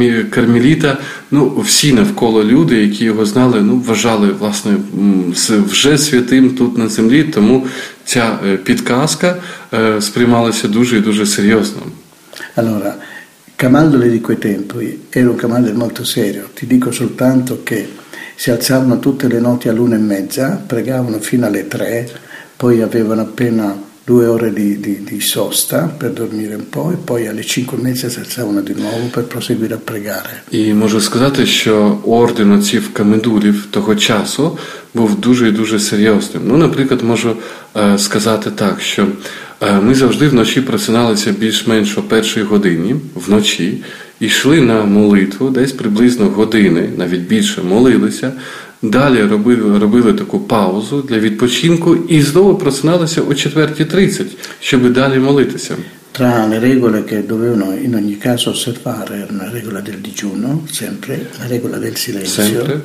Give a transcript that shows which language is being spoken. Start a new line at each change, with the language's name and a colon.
Ukrainian: карміліта, ну, всі навколо люди, які його знали, ну, вважали, власне, вже святим тут на землі, тому ця підказка сприймалася дуже і дуже серйозно.
Italian: Allora, Camaldoli di quei tempi era un Camaldoli molto serio. Ti dico soltanto che si alzavano tutte le notti all'una e mezza, pregavano fino alle tre, poi avevano appena 2 ore di sosta per dormire un po' e poi alle 5:30 si alzavano di nuovo per proseguire a pregare.
Ukrainian: І можу сказати, що орден отців Камедулів того часу був дуже і дуже серйозним. Ну, наприклад, можу сказати так, що ми завжди вночі просиналися більш-менш о 1:00 вночі, йшли на молитву, десь приблизно години, навіть більше, молилися, далі робили таку паузу для відпочинку і знову просиналися о 4:30, щоб далі молитися.
Italian: Tra le regole che dovevano in ogni caso osservare era una regola del digiuno, sempre, la regola del silenzio,